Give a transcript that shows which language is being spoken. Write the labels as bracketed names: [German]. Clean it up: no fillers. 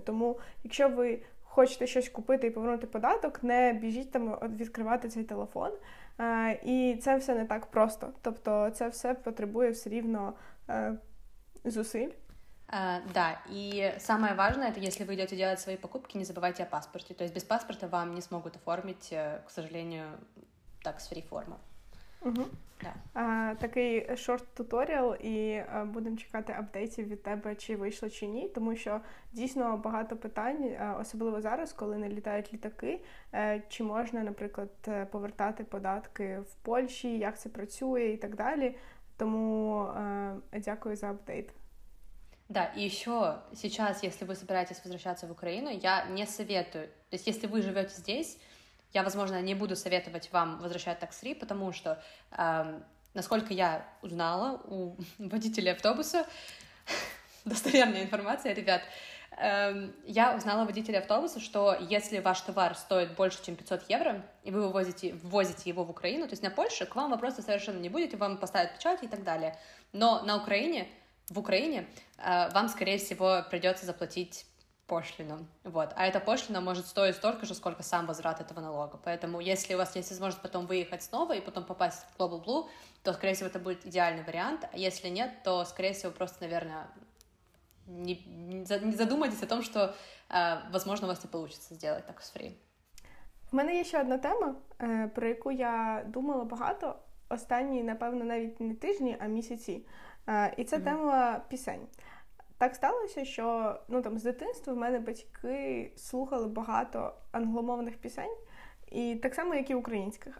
[Ukrainian] Тому якщо ви хочете щось купити і повернути податок, не біжіть там відкривати цей телефон. І це все не так просто. Тобто це все потребує все рівно зусиль. Да, і самое важное, це якщо ви йдете робити свої покупки, не забувайте о паспорті. Тобто без паспорта вам не зможуть оформити, [Russian] к сожалению, [Ukrainian] tax-free форму. Да. Такий шорт-туторіал, і будемо чекати апдейтів від тебе, чи вийшло, чи ні, тому що дійсно багато питань, особливо зараз, коли не літають літаки, чи можна, наприклад, повертати податки в Польщі, як це працює і так далі, тому дякую за апдейт. Да, і ще зараз, якщо ви збираєтесь повертатися в Україну, я не советую, тобто якщо ви живете [Russian] здесь, я, возможно, не буду советовать вам возвращать tax-free, потому что, насколько я узнала у водителя автобуса, достоверная информация, ребят, я узнала у водителя автобуса, что если ваш товар стоит больше, чем 500 евро, и вы ввозите его в Украину, то есть на Польшу, к вам вопроса совершенно не будет, и вам поставят печать и так далее. Но на Украине, в Украине, вам, скорее всего, придется заплатить пошлину. Вот. А эта пошлина может стоить столько же, сколько сам возврат этого налога. Поэтому, если у вас есть возможность потом выехать снова и потом попасть в Global Blue, то, скорее всего, это будет идеальный вариант. А если нет, то, скорее всего, просто, наверное, не задумайтесь о том, что, возможно, у вас не получится сделать так с free. У меня есть еще одна тема, [Ukrainian] про яку я думала багато останні, напевно, навіть не тижні, а місяці. І це тема пісень. Так сталося, що ну там з дитинства в мене батьки слухали багато англомовних пісень, і так само, як і українських.